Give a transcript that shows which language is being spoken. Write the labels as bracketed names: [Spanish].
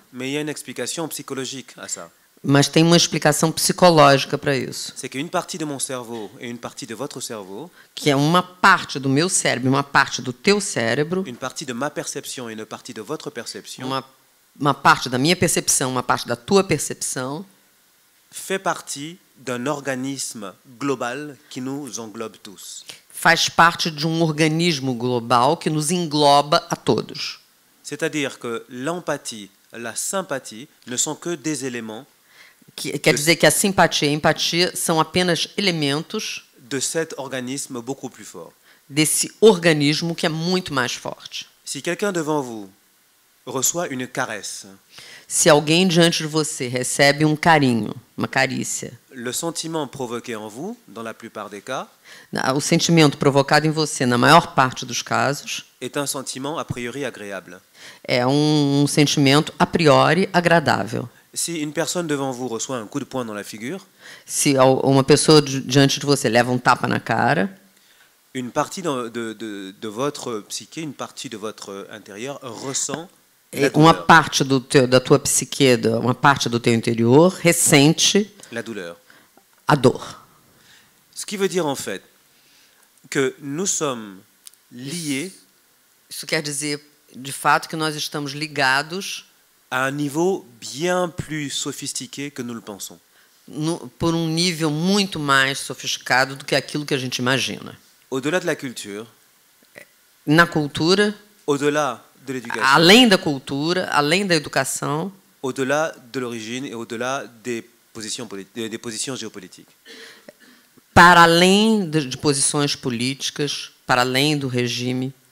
[French] Mais il y a une explication psychologique à ça. [Portuguese] Mas tem uma explicação psicológica para isso. [French] C'est qu'une partie de mon cerveau et une partie de votre cerveau. [Portuguese] Que é uma parte do meu cérebro, uma parte do teu cérebro. [French] Une partie de ma perception et une partie de votre perception. [Portuguese] Uma parte da minha percepção, uma parte da tua percepção. [French] Fait partie d'un organisme global qui nous englobe tous. [Portuguese] Faz parte de um organismo global que nos engloba a todos. [French] C'est-à-dire que l'empathie, la sympathie ne sont que des éléments. [Portuguese] Quer dizer que a simpatia e a empatia são apenas elementos [French] de cet organisme beaucoup plus fort. [Portuguese] Desse organismo que é muito mais forte. [French] Si quelqu'un devant vous reçoit une caresse. [Portuguese] Se alguém diante de você recebe um carinho, uma carícia. [French] Le sentiment provoqué en vous, dans la plupart des cas. [Portuguese] O sentimento provocado em você, na maior parte dos casos. [French] Est un sentiment a priori agréable. [Portuguese] É um sentimento a priori agradável. [French] Si une personne devant vous reçoit un coup de poing dans la figure. [Portuguese] Se uma pessoa diante de você leva um tapa na cara. [French] Une partie de votre psyché, une partie de votre intérieur ressent. [Portuguese] Uma parte da tua psique, uma parte do teu interior ressente [French] la douleur. [Portuguese] A dor. [French] Ce qui veut dire en fait que nous sommes liés. [Portuguese] Isso quer dizer, de fato, que nós estamos ligados [French] à un niveau bien plus sophistiqué que nous le pensons. [Portuguese] Por um nível muito mais sofisticado do que aquilo que a gente imagina. [French] Au-delà de la culture. [Portuguese] Na cultura. [French] Au-delà. [Portuguese] Além da cultura, além da educação, [French] au-delà de l'origine et au-delà des positions géopolitiques. [Portuguese] Para além de posições políticas, para além do regime.